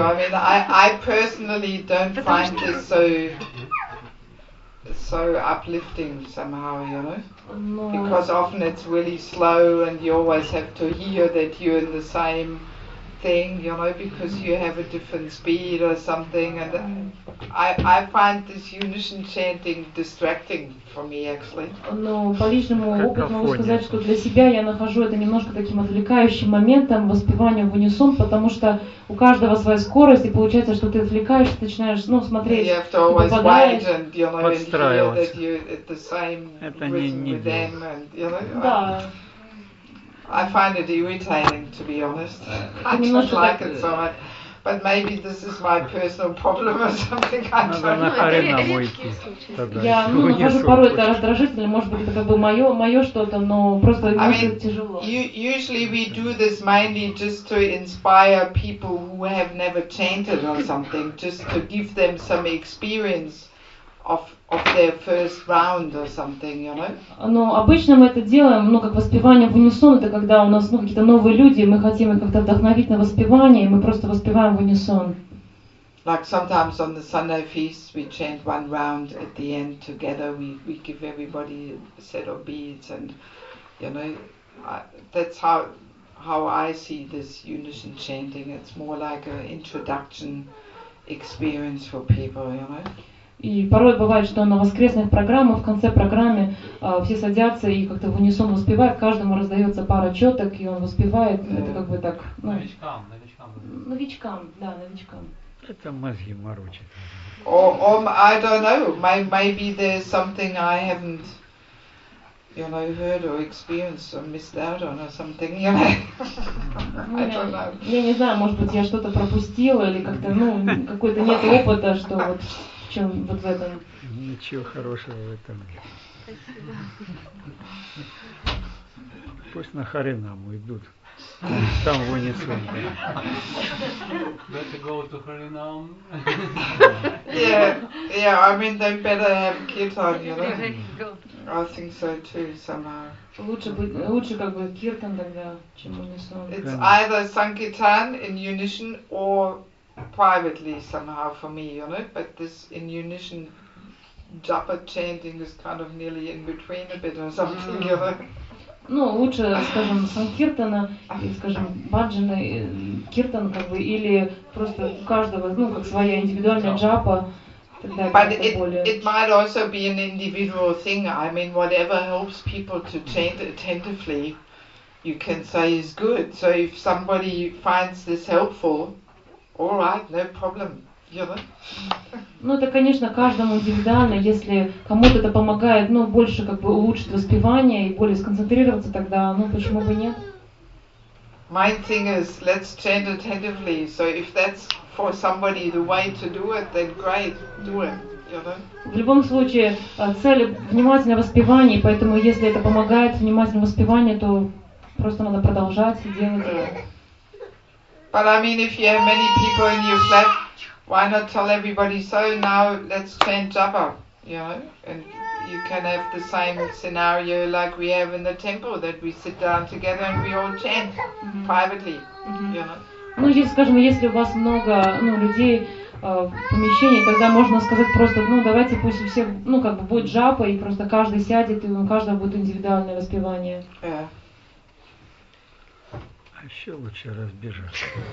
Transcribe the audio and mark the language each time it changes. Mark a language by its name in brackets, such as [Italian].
[English] I mean, I personally don't find this so uplifting somehow, you know? Because often it's really slow and you always have to hear that you're in the same thing, you know, because you have a different speed or something. And I find this unison chanting distracting for me, actually. [Russian] Но по личному опыту могу сказать, что для себя я нахожу это немножко таким отвлекающим моментом воспевания в унисон, потому что у каждого своя скорость, и получается, что ты отвлекаешься, ты начинаешь, ну, смотреть, [English] you have to always [Russian] попадаешь, [English] and, you know, подстраиваться. I find it irritating, to be honest. I don't like it so much. But maybe this is my personal problem or something. I don't know. [Russian] Надо на арену мойки. Я, ну, нахожу порой это раздражительно. Может быть, это как бы мое что-то, но просто мне это тяжело. [English] Usually we do this mainly just to inspire people who have never chanted or something, just to give them some experience of their first round or something, you know? [Russian] Но обычно мы это делаем, ну, как воспевание в унисон, это когда у нас, ну, какие-то новые люди, мы хотим их как-то вдохновить на воспевание, и мы просто воспеваем в унисон. [English] Like sometimes on the Sunday feast, we chant one round at the end together, we give everybody a set of beads, and, you know, that's how how I see this unison chanting, it's more like an introduction experience for people, you know? [Russian] И порой бывает, что на воскресных программах, в конце программы все садятся и как-то в унисон воспевают, каждому раздается пара четок, и он воспевает, yeah. Это как бы так... Ну, новичкам, новичкам. Новичкам, да, новичкам. Это мозги морочит. [English] Or, I don't know, maybe there's something I haven't, you know, heard or experienced or missed out on or something, you know? I don't know. [Russian] Я не знаю, может быть, я что-то пропустила или как-то, ну, какой-то нет опыта, что вот... Чем вот в этом? Ничего хорошего в этом нет. Спасибо. Пусть на Харинаму идут. Там вынесут. [English] Better go to Харинам. Yeah. Yeah, I mean they better have kirtan, you know. I think so too, somehow. [Russian] Лучше как бы киртан тогда, чем унисон. [English] It's either sankirtan in unison or privately somehow for me, you know, but this in unison japa chanting is kind of nearly in between a bit or something, you know. [Russian] Ну, лучше, скажем, санкиртана, скажем, баджана, киртан, как бы, или просто у каждого, ну, как своя индивидуальная джапа, тогда [English] but [Russian] как-то [English] it, [Russian] более... [English] It might also be an individual thing, I mean, whatever helps people to chant attentively, you can say is good, so if somebody finds this helpful, all right, no problem. [Russian] Ну, это, конечно, каждому индивидуально, если кому-то это помогает, ну, больше как бы улучшить воспевание и более сконцентрироваться, тогда, ну, почему бы нет? [English] My thing is, let's chant attentively, so if that's for somebody the way to do it, then great, do it. [Russian] В любом случае, цель внимательное воспевание, поэтому если это помогает внимательное воспевание, то просто надо продолжать и делать это. [English] But I mean, if you have many people in your flat, why not tell everybody, so now let's chant japa, you know, and you can have the same scenario like we have in the temple, that we sit down together and we all chant mm-hmm. privately, mm-hmm. you know. [Russian] Ну, если, скажем, если у вас много, ну, людей в помещении, тогда можно сказать просто, ну, давайте пусть все, ну, как бы будет джапа, и просто каждый сядет, и у каждого будет индивидуальное воспевание. А еще лучше разбежаться.